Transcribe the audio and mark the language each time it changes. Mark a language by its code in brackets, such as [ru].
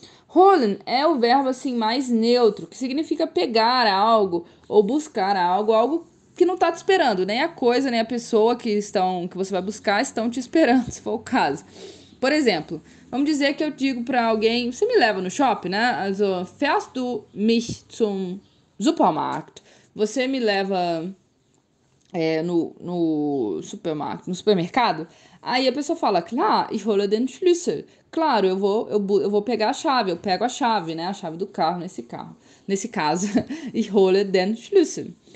[pt] Holen é o verbo assim mais neutro, que significa pegar algo ou buscar algo. Que não tá te esperando, nem a coisa, nem a pessoa que você vai buscar estão te esperando, se for o caso. Por exemplo, vamos dizer que eu digo para alguém, você me leva no shopping, né? [de] Also, fährst du mich zum Supermarkt? [pt] Você me leva no supermarkt, no supermercado? Aí a pessoa fala, [de] klar, ich hole den Schlüssel. [pt] Claro, eu vou pegar a chave, eu pego a chave, né? A chave do carro, nesse caso, [de] ich hole den Schlüssel.